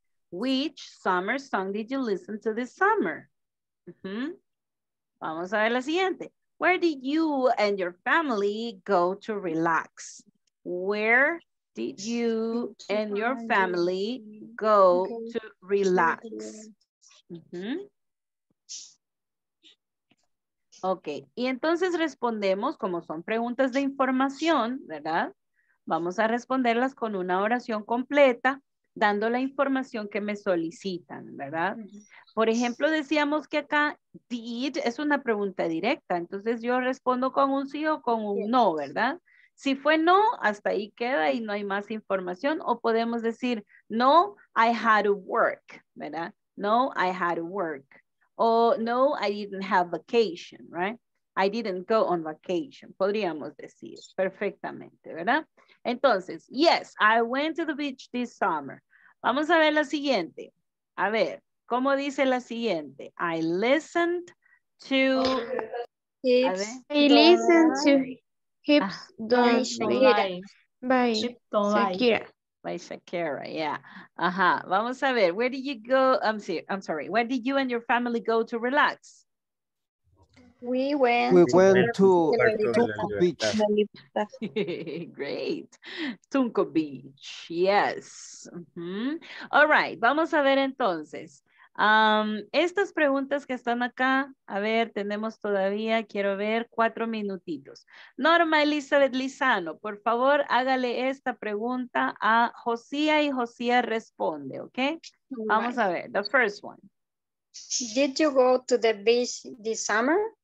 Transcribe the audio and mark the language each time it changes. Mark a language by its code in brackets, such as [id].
[en] Which summer song did you listen to this summer? Mm-hmm. [es] Vamos a ver la siguiente. [en] Where did you and your family go to relax? Where did you and your family go to relax? Mm-hmm. [es] Ok, y entonces respondemos, como son preguntas de información, ¿verdad? Vamos a responderlas con una oración completa, dando la información que me solicitan, ¿verdad? Por ejemplo, decíamos que acá, did es una pregunta directa, entonces yo respondo con un sí o con un no, ¿verdad? Si fue no, hasta ahí queda y no hay más información, o podemos decir, no, [en] I had to work, [es] ¿verdad? [en] No, I had to work. [es] O no, [en] I didn't have vacation, right? I didn't go on vacation, [es] podríamos decir perfectamente, ¿verdad? [en] Entonces, yes, I went to the beach this summer. [es] Vamos a ver la siguiente. A ver, ¿cómo dice la siguiente? [en] I listened to... Hips. I listened to Hips Don't Lie by Shakira. Yeah. [es] Ajá. Vamos a ver, [en] where did you go? I'm sorry. Where did you and your family go to relax? We went to Tunco Beach. Great. Tunco Beach. Yes. Mm-hmm. All right. [es] Vamos a ver entonces. Estas preguntas que están acá, a ver, tenemos todavía, quiero ver, 4 minutitos. Norma Elizabeth Lizano, por favor, hágale esta pregunta a Josía y Josía responde, ¿ok? Vamos a ver, [en] the first one. Did you go to the beach this summer?